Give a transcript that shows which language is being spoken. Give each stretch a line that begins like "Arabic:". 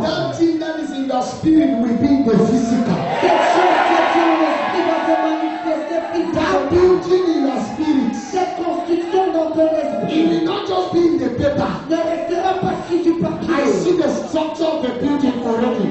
English: that thing that is in your spirit will be the physical.
French: Cette chose qui est dans ton esprit va se manifester physiquement.
English: That building in your spirit.
French: Cette construction dans ton esprit.
English: It will not just be in the paper.
French: Ne restera pas sur du papier.
English: I see the structure of the building already.